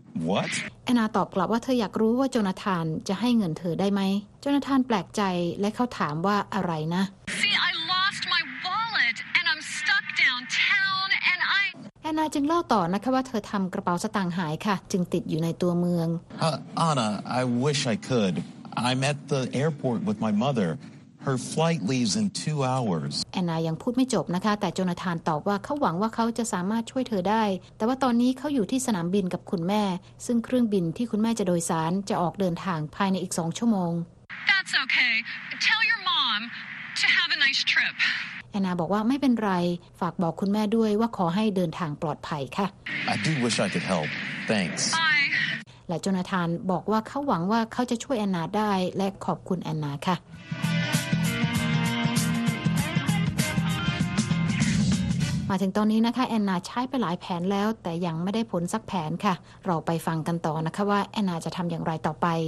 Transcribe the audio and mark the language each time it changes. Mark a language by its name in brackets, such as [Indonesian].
[English] What? [Thai] Anna ตอบกลับว่าเธออยากรู้ว่าโจนาธานจะให้เงินเธอได้ไหมโจนาธานแปลกใจและเขาถามว่าอะไรนะ [English] See, I lost my wallet and I'm stuck downtown and I. [Thai] Anna จึงเล่าต่อนะคะว่าเธอทำกระเป๋าสตางค์หายค่ะจึงติดอยู่ในตัวเมือง [English] Anna, I wish I could. I'm at the airport with my mother. Her flight leaves in 2 hours. [Thai] Anna ยังพูดไม่จบนะคะแต่ Jonathan ตอบว่าเขาหวังว่าเขาจะสามารถช่วยเธอได้แต่ว่าตอนนี้เขาอยู่ที่สนามบินกับคุณแม่ซึ่งเครื่องบินที่คุณแม่จะโดยสารจะออกเดินทางภายในอีก2ชั่วโมง [English] That's okay. Tell your mom to have a nice trip. [Thai] Anna บอกว่าไม่เป็นไรฝากบอกคุณแม่ด้วยว่าขอให้เดินทางปลอดภัยค่ะ [English] I do wish I could help. Thanks. Bye. [Thai] และ Jonathan บอกว่าเขาหวังว่าเขาจะช่วย Anna ได้และขอบคุณ Anna ค่ะมาถึงตอนนี้นะคะแอนนาใช้ไปหลายแผนแล้วแต่ยังไม่ได้ผลสักแผนค่ะเราไปฟังกันต่อนะคะว่าแอนนาจะทำอย่างไรต่อไป